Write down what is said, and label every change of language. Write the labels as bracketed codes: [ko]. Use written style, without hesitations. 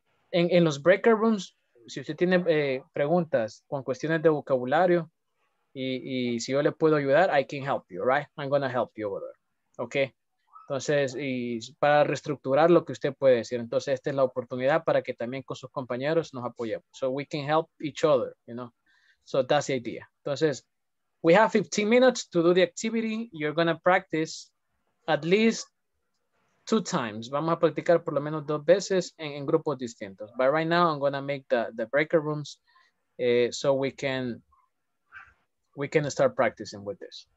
[es] En los breakout rooms, si usted tiene preguntas con cuestiones de vocabulario y si yo le puedo ayudar, [en] I can help you, right? I'm going to help you over there. Okay. [es] Entonces, y para reestructurar lo que usted puede decir. Entonces, esta es la oportunidad para que también con sus compañeros nos apoyemos. [en] So we can help each other, you know. So that's the idea. Entonces, we have 15 minutes to do the activity. You're going to practice at least two times. [es] Vamos a practicar por lo menos dos veces en grupos distintos. [en] But right now I'm going to make the breaker rooms so we can start practicing with this.